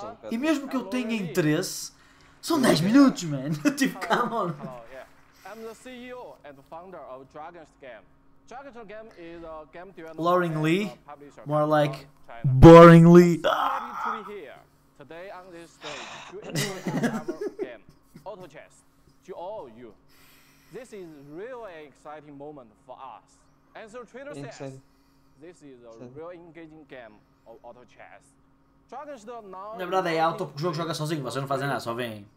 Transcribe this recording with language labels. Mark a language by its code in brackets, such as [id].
[pt] E mesmo que eu tenha interesse, são 10 minutos, man. [en] Tipo, come on. I'm the CEO and founder of Dragon's Game. Dragon's Game is a game developer. Loring Lee, more like Boring Lee. Today on this stage, to introduce our game, Auto Chess, to all of you. This is really an exciting moment for us. And so Twitter says, this is a really engaging game of Auto Chess. Dragon's Game now. [pt] Na verdade é Auto porque o jogo joga sozinho, vocês não fazem nada, só vem.